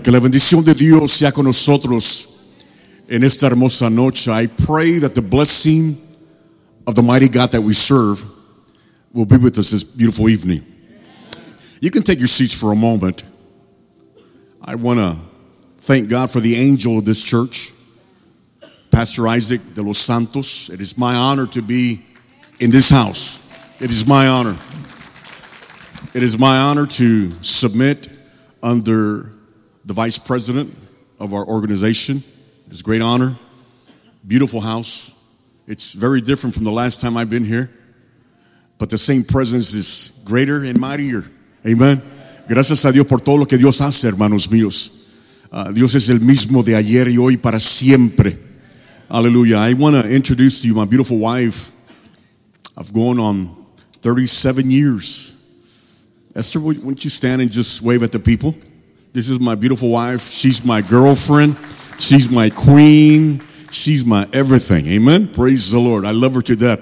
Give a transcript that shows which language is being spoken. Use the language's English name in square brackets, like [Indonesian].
[Spanish] Que la bendición de Dios sea con nosotros en esta hermosa noche. [English] I pray that the blessing of the mighty God that we serve will be with us this beautiful evening. You can take your seats for a moment. I want to thank God for the angel of this church, Pastor Isaac de los Santos. It is my honor to be in this house. It is my honor. It is my honor to submit under the vice president of our organization. It's a great honor. Beautiful house. It's very different from the last time I've been here. But the same presence is greater and mightier. Amen. [Spanish] Gracias a Dios por todo lo que Dios hace, hermanos míos. Dios es el mismo de ayer y hoy para siempre. [English] Hallelujah. I want to introduce to you my beautiful wife. I've gone on 37 years. Esther, wouldn't you stand and just wave at the people? This is my beautiful wife. She's my girlfriend. She's my queen. She's my everything. Amen. Praise the Lord. I love her to death.